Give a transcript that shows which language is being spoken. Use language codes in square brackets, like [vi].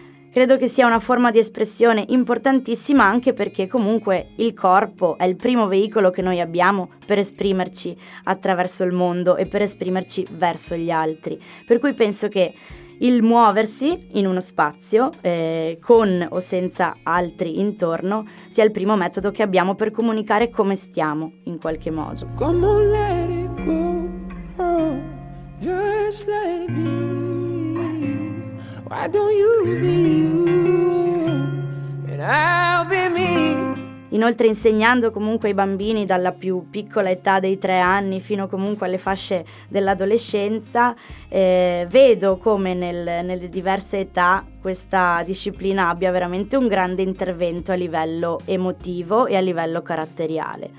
[it] Credo che sia una forma di espressione importantissima, anche perché comunque il corpo è il primo veicolo che noi abbiamo per esprimerci attraverso il mondo e per esprimerci verso gli altri. Per cui penso che il muoversi in uno spazio, con o senza altri intorno, sia il primo metodo che abbiamo per comunicare come stiamo, in qualche modo. [en] Come let it go, oh, just let it be. Why don't you be you, and I'll be me. [it] Inoltre, insegnando comunque ai bambini dalla più piccola età dei 3 anni fino comunque alle fasce dell'adolescenza, vedo come nelle diverse età questa disciplina abbia veramente un grande intervento a livello emotivo e a livello caratteriale.